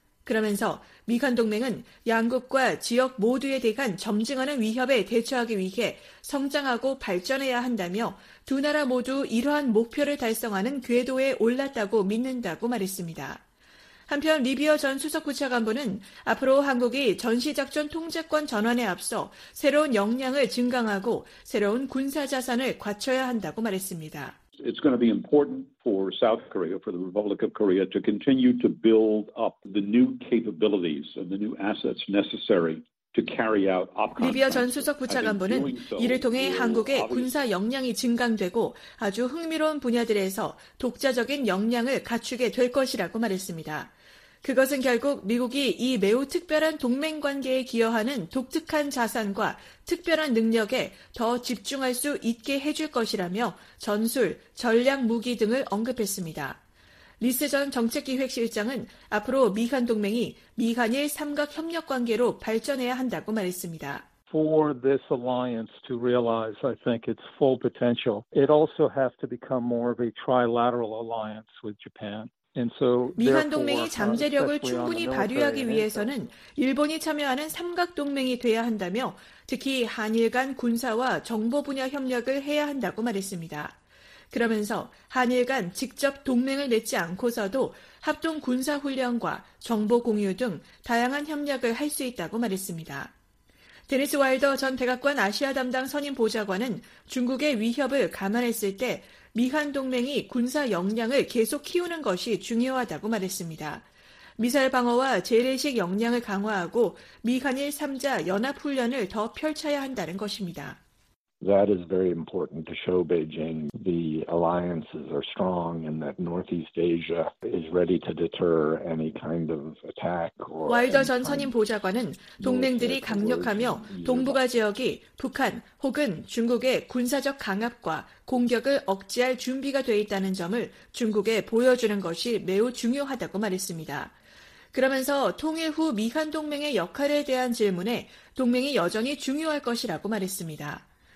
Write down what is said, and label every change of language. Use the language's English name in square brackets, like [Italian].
[Korean] 그러면서 미한 동맹은 양국과 지역 모두에 대한 점증하는 위협에 대처하기 위해 성장하고 발전해야 한다며 두 나라 모두 이러한 목표를 달성하는 궤도에 올랐다고 믿는다고 말했습니다. 한편 리비어 전 수석부차관보는 앞으로 한국이 전시작전 통제권 전환에 앞서 새로운 역량을 증강하고 새로운 군사자산을 갖춰야 한다고 말했습니다. [English] It's going to be important for South Korea, for the Republic of Korea, to continue to build up the new capabilities and the new assets necessary. [Korean] 리비아 전 수석 부차관보는 이를 통해 한국의 군사 역량이 증강되고 아주 흥미로운 분야들에서 독자적인 역량을 갖추게 될 것이라고 말했습니다. 그것은 결국 미국이 이 매우 특별한 동맹관계에 기여하는 독특한 자산과 특별한 능력에 더 집중할 수 있게 해줄 것이라며 전술, 전략 무기 등을 언급했습니다. 리스 전 정책기획실장은 앞으로 미한 동맹이 미한일 삼각 협력 관계로 발전해야 한다고 말했습니다. [English] For this alliance to realize, I think its full potential, it also has to become more of a trilateral alliance with Japan. [Korean] 미한 동맹이 잠재력을 충분히 발휘하기 위해서는 일본이 참여하는 삼각 동맹이 돼야 한다며 특히 한일 간 군사와 정보 분야 협력을 해야 한다고 말했습니다. 그러면서 한일 간 직접 동맹을 맺지 않고서도 합동 군사 훈련과 정보 공유 등 다양한 협력을 할 수 있다고 말했습니다. 데니스 와일더 전 백악관 아시아 담당 선임 보좌관은 중국의 위협을 감안했을 때 미한 동맹이 군사 역량을 계속 키우는 것이 중요하다고 말했습니다. 미사일 방어와 재래식 역량을 강화하고 미한일 3자 연합 훈련을 더 펼쳐야 한다는 것입니다. [English] That is very important to show Beijing the alliances are strong and that Northeast Asia is ready to deter any kind of attack. [Korean] 와일더 전 선임 보좌관은 동맹들이 강력하며 동북아 지역이 북한 혹은 중국의 군사적 강압과 공격을 억제할 준비가 돼 있다는 점을 중국에 보여주는 것이 매우 중요하다고 말했습니다. 그러면서 통일 후 미한 동맹의 역할에 대한 질문에 동맹이 여전히 중요할 것이라고 말했습니다.